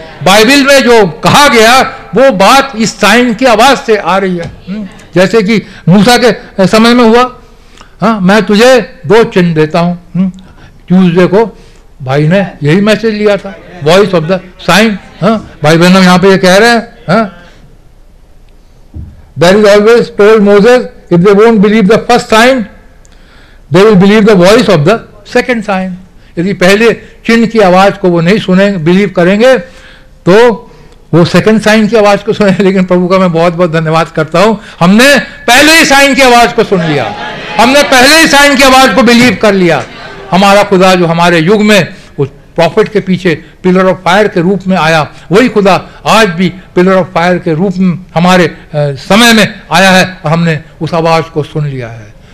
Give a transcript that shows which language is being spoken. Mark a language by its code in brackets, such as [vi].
[hi] Bible में जो कहा गया वो बात इस साइन की आवाज से आ रही है, जैसे कि मूसा के समय में हुआ, मैं तुझे 2 चिन्ह देता हूं। ट्यूजडे को भाई ने यही मैसेज लिया था, [en] Voice of the sign. [hi] भाई बहनों यहां पर ये कह रहे हैं, [en] There is always told Moses, if they won't believe the first sign, they will believe the voice of the second sign. [hi] यदि पहले चिन्ह की आवाज को वो नहीं सुनेंगे, बिलीव करेंगे, तो वो सेकेंड साइन की आवाज को सुने। लेकिन प्रभु का मैं बहुत बहुत धन्यवाद करता हूं, हमने पहले ही साइन की आवाज को सुन लिया, हमने पहले ही साइन की आवाज को बिलीव कर लिया। हमारा खुदा जो हमारे युग में उस प्रॉफिट के पीछे पिलर ऑफ फायर के रूप में आया, वही खुदा आज भी पिलर ऑफ फायर के रूप में हमारे समय में आया है और हमने उस आवाज को सुन लिया है।